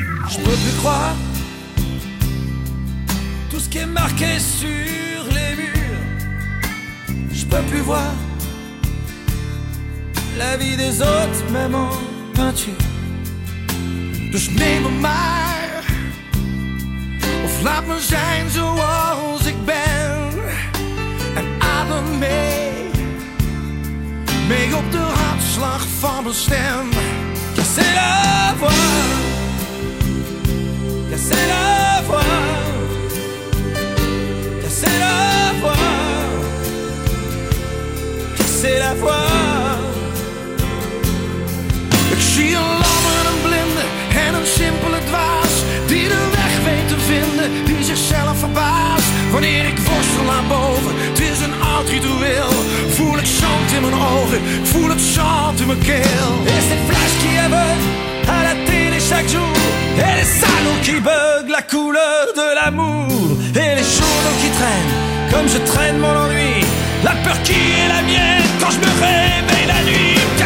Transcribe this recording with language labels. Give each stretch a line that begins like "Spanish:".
French: Je peux plus croire tout ce qui est marqué sur les murs. Je peux plus voir la vie des autres, même en peinture.
Dutch: Dus neem me maar, of laat me zijn zoals ik ben. En adem mee, mee op de hartslag van mijn stem.
French: Je sais la voix, je sais la voix, je sais la voix, je sais la voix.
Dutch: Zie een lamme, een blinde en een simpele dwaas, die de weg weet te vinden, die zichzelf verbaast. Wanneer ik worstel naar boven, het is een oud ritueel. Voel ik zand in mijn ogen, voel het zand in mijn keel.
French: Et cette flash qui aveugle à la télé chaque jour, et les salons qui bug la couleur de l'amour, et les journaux qui traînent comme je traîne mon ennui, la peur qui est la mienne quand je me réveille la nuit.